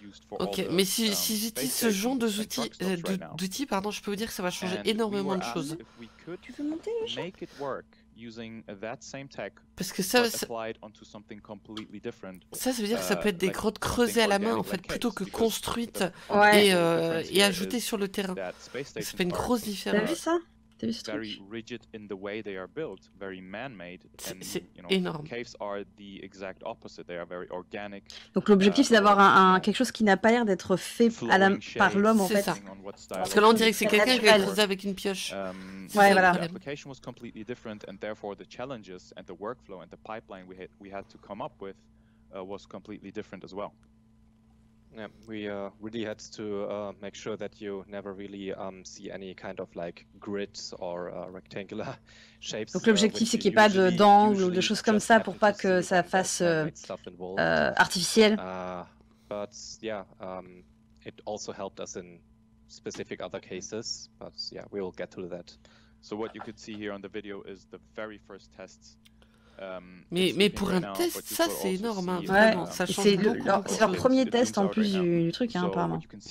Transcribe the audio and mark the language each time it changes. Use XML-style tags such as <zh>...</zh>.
<fr>Ok, mais si j'utilise ce genre d'outils, pardon, je peux vous dire que ça va changer énormément de choses. Tu veux monter le champ?</fr> <en>Using that same tech,</en> <fr>parce que ça,</fr> <en>but applied onto something completely different.</en> <fr>Ça, ça veut dire que ça peut être des grottes creusées à la main, en fait, plutôt que construites et ajoutées sur le terrain. Ça fait une grosse différence. T'as vu ça? T'as vu ce truc?</fr> <en>Very rigid in the way they are built, very man-made.</en> <fr>C'est énorme.</fr> <en>Caves are the exact opposite. They are very organic.</en> <fr>Donc l'objectif, c'est d'avoir quelque chose qui n'a pas l'air d'être fait à la, par l'homme, en fait. Ça. Parce que là, on dirait que c'est quelqu'un qui a creusé avec une pioche. Ouais, voilà.</fr> <en>The application was completely different, and therefore the challenges and the workflow and the pipeline we had to come up with was completely different as well. Yeah, we really had to make sure that you never really see any kind of like grids or rectangular shapes.</en> <fr>Donc l'objectif c'est qu'il n'y ait pas d'angle ou de choses comme ça pour pas que ça fasse artificiel.</fr> <en>But yeah, it also helped us in specific other cases, but yeah, we will get to that. So what you could see here on the video is the very first tests.</en> <fr>Mais pour un test, ça c'est énorme, hein, vraiment, ouais. Ça change beaucoup. C'est leur premier test en plus du truc, hein, apparemment.</fr>